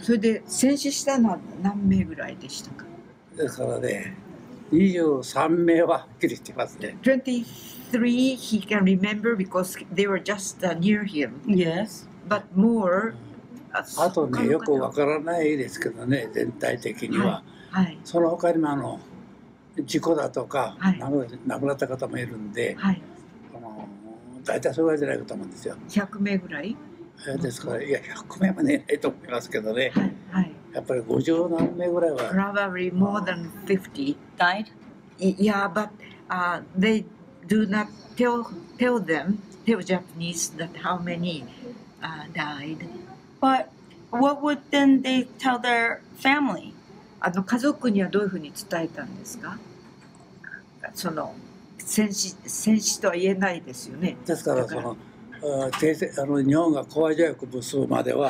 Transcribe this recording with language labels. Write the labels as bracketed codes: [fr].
[ja] それで戦死したのは何名ぐらいでしたか。だからね23名ははっきりしてますね。 [en] 23, he can remember because they were just near him. Yes. But more. [ja] あとね、よくわからないですけどね、全体的には。はい。その他にもあの事故だとか、亡くなった方もいるんで、はい。あの、大体それぐらいじゃないかと思うんですよ。 100名ぐらい？ですから、いや、100名もねえと思いますけどね。はい。やっぱり50何名ぐらいは。 [en] Probably more than 50 died. Yeah, but they. Do not tell Japanese that how many died. But what would then they tell their family? [ja] あの家族にはどういうふうに伝えたんですか？その戦死とは言えないですよね。ですからその停戦、あの日本が講和条約結ぶまでは、